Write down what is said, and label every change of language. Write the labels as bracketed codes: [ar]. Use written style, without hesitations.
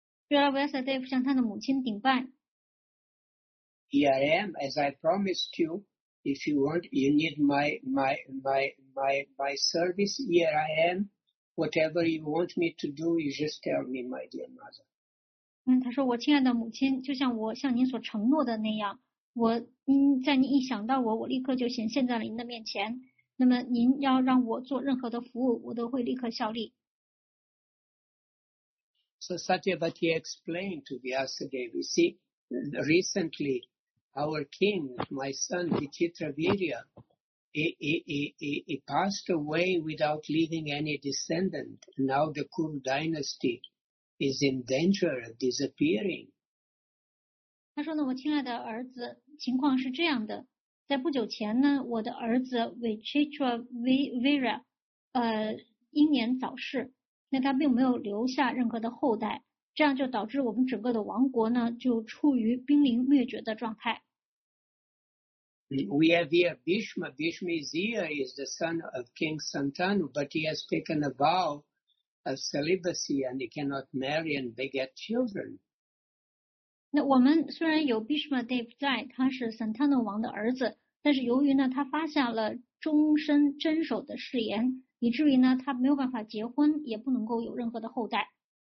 [zh] Srila Vyasadeva 向他的母亲顶拜。 [en] Here I am, as I promised you. If you want, you need my service. Here I am. Whatever you want me to do, you just tell me, my dear mother. [zh] 他说我亲爱的母亲，就像我向您所承诺的那样，我在您一想到我立刻就显现在了您的面前。那么您要让我做任何的服务，我都会立刻效力。 [en] So Satyavati explained to Vyasadeva, you see, recently. Our king, my son, Vichitravirya, he passed away without leaving any descendant. Now the Kuru dynasty is in danger of disappearing. [zh] 他说呢，我亲爱的儿子，情况是这样的，在不久前呢，我的儿子 Vichitravirya, 英年早逝，那他并没有留下任何的后代。这样就导致我们整个的王国呢，就处于濒临灭绝的状态。 [en] We have here Bhishma. Bhishma is here. He is the son of King Santanu, but he has taken a vow of celibacy and he cannot marry and beget children. [zh] 那我们虽然有 Bhishma Dev 在，他是 Santanu 王的儿子，但是由于呢，他发下了终身贞守的誓言，以至于呢，他没有办法结婚，也不能够有任何的后代。